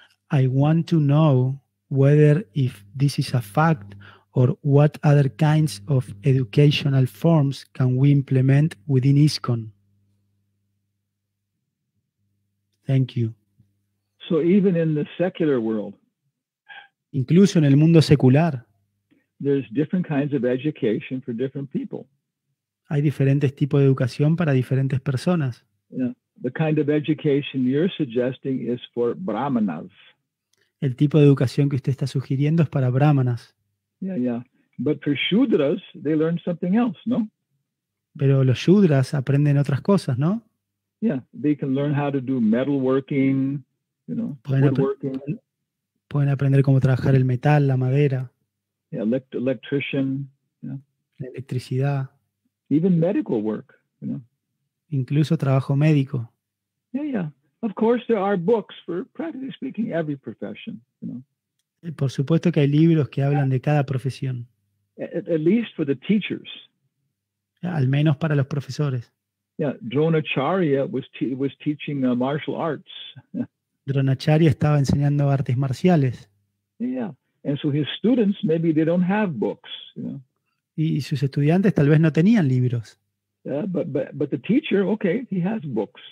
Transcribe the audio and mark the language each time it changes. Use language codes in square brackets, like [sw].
[en] I want to know whether if this is a fact or what other kinds of educational forms can we implement within ISKCON. Thank you. So even in the secular world, [es] incluso en el mundo secular, [en] there's different kinds of education for different people. [es] Hay diferentes tipos de educación para diferentes personas. [en] Yeah. The kind of education you're suggesting is for brahmanas. [es] El tipo de educación que usted está sugiriendo es para brahmanas. [en] Yeah, yeah. But for shudras, they learn something else, no? [es] Pero los shudras aprenden otras cosas, ¿no? [en] Yeah, they can learn how to do metal working, you know, woodworking. [es] Pueden aprender cómo trabajar el metal, la madera. [en] Yeah, electrician, yeah. [es] La electricidad. [en] Even medical work, you know. [es] Incluso trabajo médico. [en] Yeah, yeah. Of course, there are books for practically speaking every profession. You know. [es] Por supuesto que hay libros que hablan de cada profesión. [en] At least for the teachers. [es] Al menos para los profesores. [en] Yeah, Dronacharya was teaching martial arts. [es] Dronacharya estaba enseñando artes marciales. [en] Yeah, and so his students maybe they don't have books. You know. [es] Y sus estudiantes tal vez no tenían libros. [en] Yeah, but the teacher, okay, he has books.